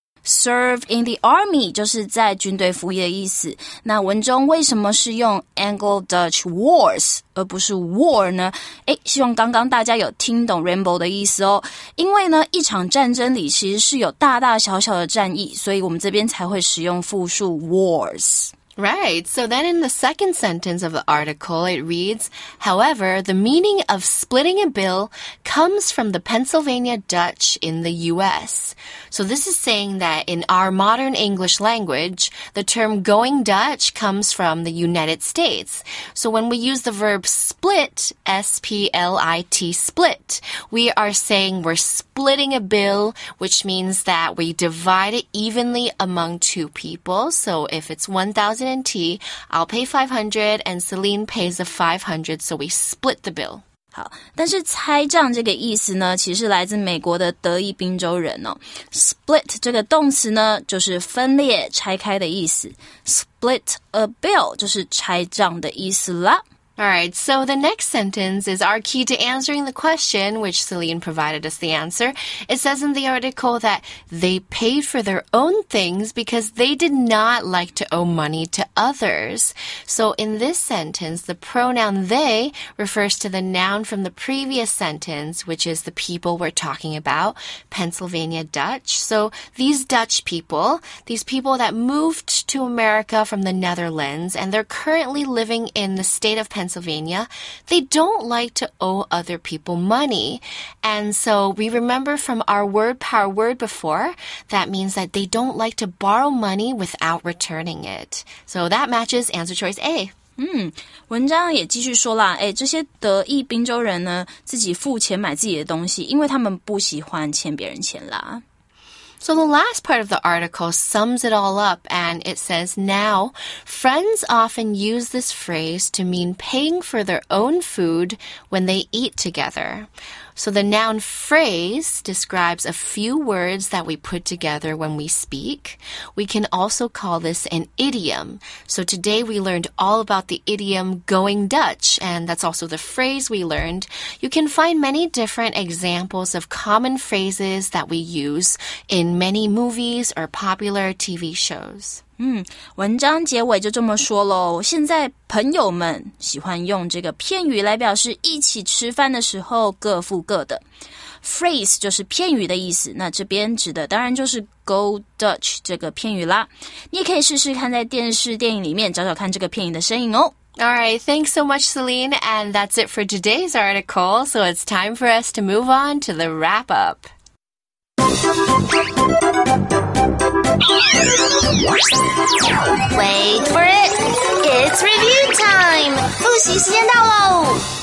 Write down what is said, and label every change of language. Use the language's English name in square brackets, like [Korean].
[English] Serve in the army [Chinese] 就是在军队服役的意思。那文中为什么是用 Anglo-Dutch Wars 而不是 War 呢？诶，希望刚刚大家有听懂 Rainbow 的意思哦。因为呢，一场战争里其实是有大大小小的战役，所以我们这边才会使用复数 Wars。 [English] Right, so then in the second sentence of the article, it reads, however, the meaning of splitting a bill comes from the Pennsylvania Dutch in the U.S. So this is saying that in our modern English language, the term going Dutch comes from the United States. So when we use the verb split, S-P-L-I-T, split, we are saying we're splitting a bill, which means that we divide it evenly among two people. So if it's 1,000and tea, I'll pay 500 and Celine pays the 500, so we split the bill. [Chinese] 好，但是拆账这个意思呢，其实来自美国的德裔宾州人哦。 Split 这个动词呢，就是分裂、拆开的意思。 [English] Split a bill [Chinese] 就是拆账的意思啦。 [English] Alright, so the next sentence is our key to answering the question, which Celine provided us the answer. It says in the article that they paid for their own things because they did not like to owe money to others. So in this sentence, the pronoun they refers to the noun from the previous sentence, which is the people we're talking about, Pennsylvania Dutch. So these Dutch people, these people that moved to America from the Netherlands, and they're currently living in the state of Pennsylvania, they don't like to owe other people money. And so we remember from our word power word before, that means that they don't like to borrow money without returning it. So that matches answer choice A. [Chinese] 文章也继续说了，哎，这些德裔宾州人呢，自己付钱买自己的东西，因为他们不喜欢欠别人钱啦。 [English] So the last part of the article sums it all up, and it says, now, friends often use this phrase to mean paying for their own food when they eat together. So the noun phrase describes a few words that we put together when we speak. We can also call this an idiom. So today we learned all about the idiom going Dutch, and that's also the phrase we learned. You can find many different examples of common phrases that we use in many movies or popular TV shows. [Chinese] 文章结尾就这么说咯，现在朋友们喜欢用这个片语来表示一起吃饭的时候各付各的。 Phrase 就是片语的意思，那这边指的当然就是 Go Dutch 这个片语啦。你也可以试试看在电视电影里面找找看这个片语的身影哦。 [English] Alright, thanks so much, Celine, and that's it for today's article, so it's time for us to move on to the wrap-up. Wait for it! It's review time! [Chinese] 复习时间到喽！